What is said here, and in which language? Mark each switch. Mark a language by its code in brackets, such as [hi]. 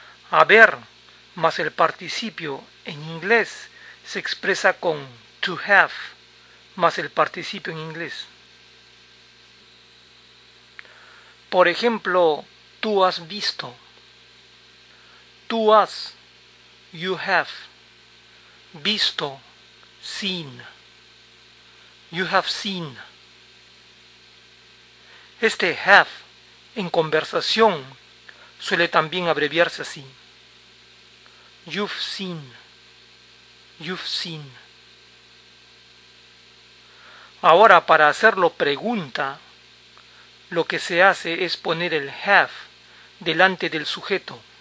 [es] Haber más el participio en inglés se expresa con to have más el participio en inglés. Por ejemplo, tú has visto. Tú has, [en] you have, [es] visto, [en] seen, you have seen. [es] Este have en conversación suele también abreviarse así. [en] You've seen, you've seen. [es] Ahora, para hacerlo pregunta, lo que se hace es poner el have delante del sujeto.